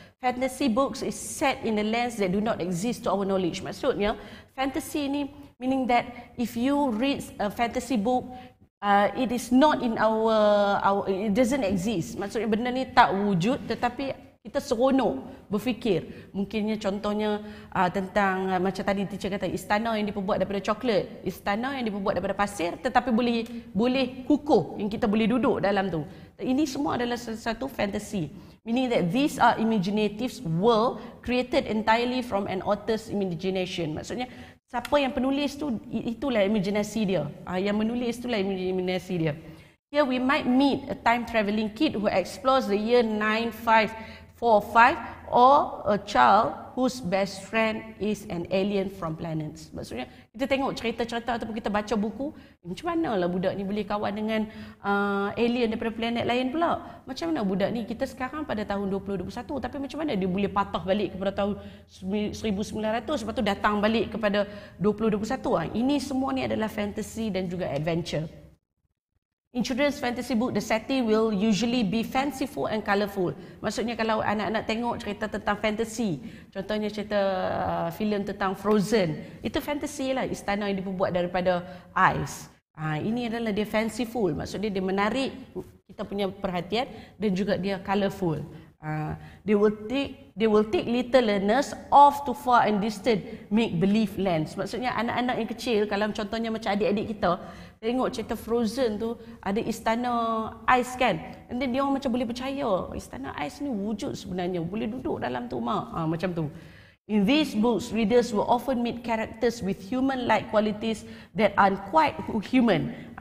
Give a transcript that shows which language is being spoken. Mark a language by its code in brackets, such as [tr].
[en] Fantasy books is set in a lens that do not exist to our knowledge. [ms] Maksudnya, fantasy ini [en] meaning that if you read a fantasy book, it is not in our it doesn't exist. [ms] Maksudnya benda ni tak wujud, tetapi kita seronok berfikir. Mungkinnya contohnya tentang macam tadi teacher kata, istana yang diperbuat daripada coklat, istana yang diperbuat daripada pasir, tetapi boleh kukuh, yang kita boleh duduk dalam tu. Ini semua adalah satu fantasy, [en] meaning that these are imaginative world created entirely from an author's imagination. [ms] Maksudnya siapa yang penulis tu, itulah imaginasi dia. Yang menulis itulah imaginasi dia. [en] Here we might meet a time traveling kid who explores the year 9545, or a child whose best friend is an alien from planets. [ms] Maksudnya kita tengok cerita-cerita ataupun kita baca buku, macam manalah budak ni boleh kawan dengan alien daripada planet lain pula? Macam mana budak ni, kita sekarang pada tahun 2021, tapi macam mana dia boleh patah balik kepada tahun 1900 sebab tu datang balik kepada 2021? Ini semua ni adalah fantasy dan juga adventure. [en] In children's fantasy book, the setting will usually be fanciful and colourful. [ms] Maksudnya kalau anak-anak tengok cerita tentang fantasy, contohnya cerita filem tentang Frozen, itu fantasy lah, istana yang dibuat daripada ice. Ini adalah dia fanciful, maksudnya dia menarik kita punya perhatian dan juga dia colourful. [en] They will take little learners off to far and distant make-believe lands. [ms] Maksudnya anak-anak yang kecil, kalau contohnya macam adik-adik kita, tengok cerita Frozen tu, ada istana ice kan? And then diorang macam boleh percaya, istana ice ni wujud sebenarnya, boleh duduk dalam tu mak. Macam tu. [en] In these books, readers will often meet characters with human-like qualities that aren't quite human.